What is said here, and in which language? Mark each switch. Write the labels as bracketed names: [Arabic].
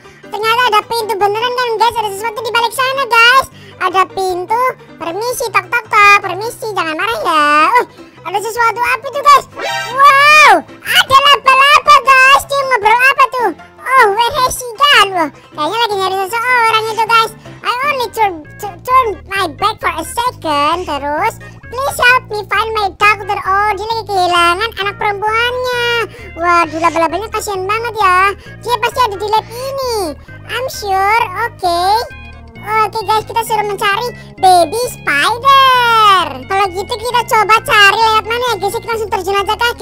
[Indonesian] Ternyata ada pintu beneran kan guys. Ada sesuatu di balik sana guys. Ada pintu. Permisi, tok. Permisi, jangan marah ya. Ada sesuatu apa tuh guys? Wow, ada laba-laba guys. Dia ngobrol apa tuh? [English] Where has she gone? [Indonesian] Kayaknya lagi nyari seseorang itu guys. [English] I only turn my back for a second. Terus, please help me find my daughter. [Indonesian] Oh, dia lagi kehilangan anak perempuannya. Waduh, laba-labanya kasihan banget ya. Dia pasti ada di lab ini. [English] I'm sure, [Indonesian] Oke, guys, kita suruh mencari baby spider. Kalau gitu kita coba cari lewat mana ya guys. Kita langsung terjun aja kah?